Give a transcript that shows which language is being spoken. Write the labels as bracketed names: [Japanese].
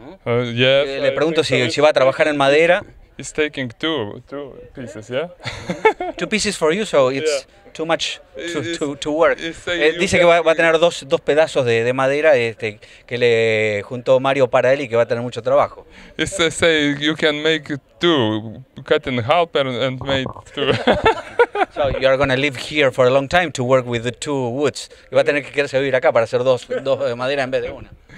[English] Yes. [Spanish] Le pregunto si va a trabajar en madera. [English] It's taking two pieces, yeah? Two pieces for you, so it's... Yeah. Too much to work. [Spanish] Dice que va a tener dos pedazos de madera que le juntó Mario para él y que va a tener mucho trabajo. [English] It's say you can make two, cut in half and make two. So you are gonna live here for a long time to work with the two woods. [Spanish] Y va a tener que quedarse a vivir acá para hacer dos de madera en vez de una.